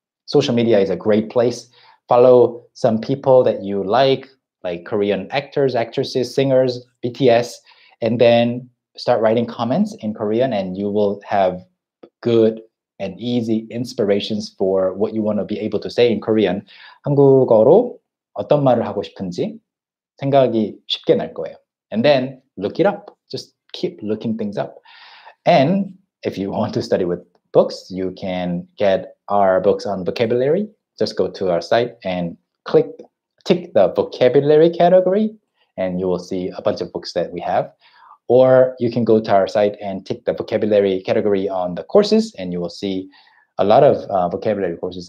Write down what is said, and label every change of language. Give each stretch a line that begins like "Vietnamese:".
English: Social media is a great place. Follow some people that you like Korean actors, actresses, singers, BTS, and then start writing comments in Korean, and you will have good and easy inspirations for what you want to be able to say in Korean.
Korean: 한국어로 어떤 말을 하고 싶은지 생각이 쉽게 날 거예요.
English: And then look it up. Just keep looking things up. And if you want to study with books, you can get our books on vocabulary. Just go to our site and tick the vocabulary category, and you will see a bunch of books that we have. Or you can go to our site and tick the vocabulary category on the courses, and you will see a lot of vocabulary courses.